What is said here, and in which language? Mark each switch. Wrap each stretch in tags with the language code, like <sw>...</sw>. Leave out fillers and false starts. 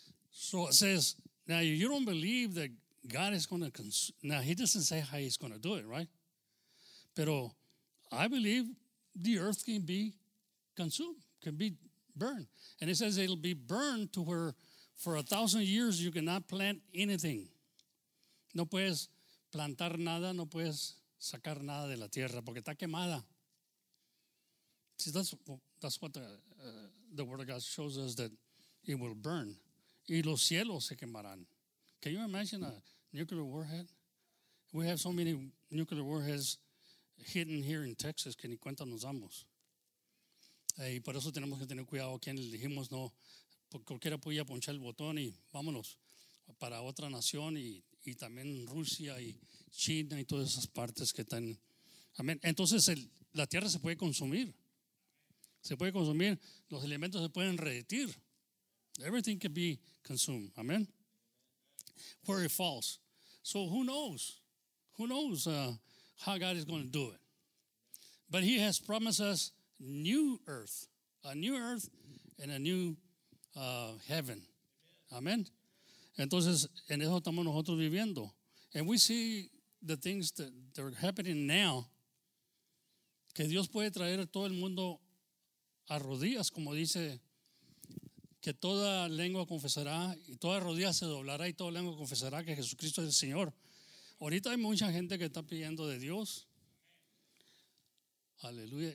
<en>So it says, now you don't believe that God is going to now he doesn't say how he's going to do it, right? Pero I believe the earth can be consumed, can be burned. And it says it'll be burned to where for 1,000 years you cannot plant anything.</en> <es>No puedes plantar nada, no puedes sacar nada de la tierra porque está quemada.</es> <en>See, that's what the Word of God shows us, that it will burn.</en> <es>Y los cielos se quemarán.</es> <en>Can you imagine a nuclear warhead? We have so many nuclear warheads hidden here in Texas</en> <es>que ni cuenta nos damos. Y por eso tenemos que tener cuidado a quien elegimos, no. Cualquiera podía ponchar el botón y vámonos para otra nación y también Rusia y China y todas esas partes que están. Amén. Entonces la tierra se puede consumir. Se puede consumir, los elementos se pueden redimir.</es> <en>Everything can be consumed. Amen. Where it falls. So who knows? Who knows how God is going to do it? But He has promised us new earth. A new earth and a new heaven. Amen.</en> <es>Entonces, en eso estamos nosotros viviendo.</es> <en>And we see the things that are happening now.</en> <es>Que Dios puede traer a todo el mundo a rodillas, como dice que toda lengua confesará y toda rodilla se doblará y toda lengua confesará que Jesucristo es el Señor. Ahorita hay mucha gente que está pidiendo de Dios. Aleluya.</es>